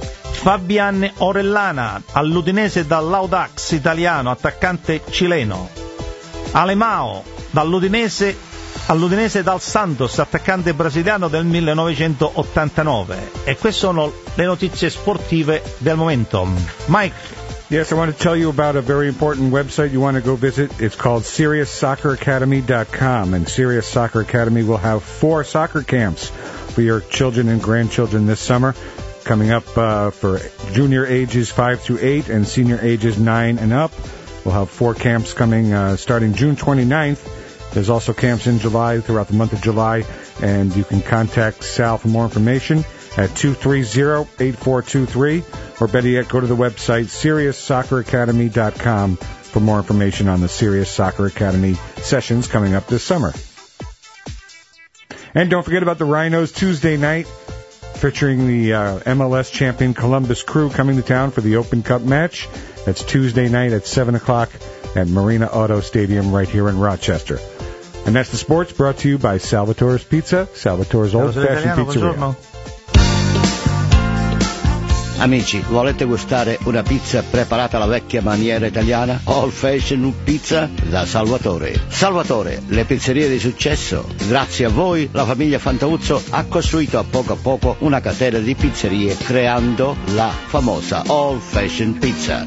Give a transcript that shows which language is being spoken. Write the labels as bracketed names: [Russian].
[Italian] Fabian Orellana all'Udinese dall'Audax italiano, attaccante cileno. Alemão all'Udinese dal Santos, attaccante brasiliano del 1989. E queste sono le notizie sportive del momento. [English] Mike. Yes, I want to tell you about a very important website you want to go visit. It's called SiriusSoccerAcademy.com, and Sirius Soccer Academy will have 4 soccer camps for your children and grandchildren this summer, coming up for junior ages 5-8 and senior ages 9 and up. We'll have 4 camps coming starting June 29th. There's also camps in July, throughout the month of July, and you can contact Sal for more information at 230-8423, or better yet, go to the website SiriusSoccerAcademy.com for more information on the Sirius Soccer Academy sessions coming up this summer. And don't forget about the Rhinos Tuesday night, featuring the MLS champion Columbus Crew coming to town for the Open Cup match. That's Tuesday night at 7 o'clock at Marina Auto Stadium right here in Rochester. And that's the sports brought to you by Salvatore's Pizza, Salvatore's Old Fashioned Pizzeria. [Italian] Buongiorno. Amici, volete gustare una pizza preparata alla vecchia maniera italiana? Old Fashioned Pizza da Salvatore. Salvatore, le pizzerie di successo. Grazie a voi, la famiglia Fantauzzo ha costruito a poco una catena di pizzerie, creando la famosa Old Fashioned Pizza.